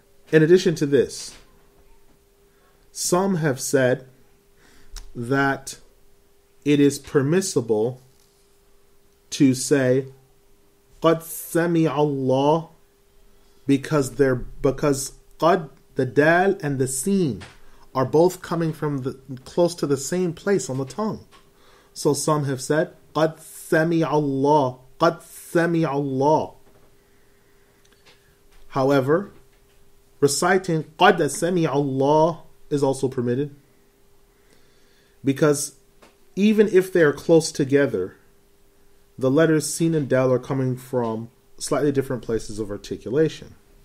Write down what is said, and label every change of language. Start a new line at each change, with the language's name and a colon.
English: In addition to this, some have said that it is permissible to say
Arabic: قَدْ سَمِعَ اللَّهُ
English: because they're because قَدْ, the dal and the seen are both coming from the close to the same place on the tongue. So some have said
Arabic: قَدْ سَمِعَ اللَّهُ قَدْ سَمِعَ اللَّهُ.
English: However, reciting
Arabic: قَدْ سَمِعَ اللَّهُ
English: is also permitted, because even if they are close together, the letters seen and dal are coming from slightly different places of articulation.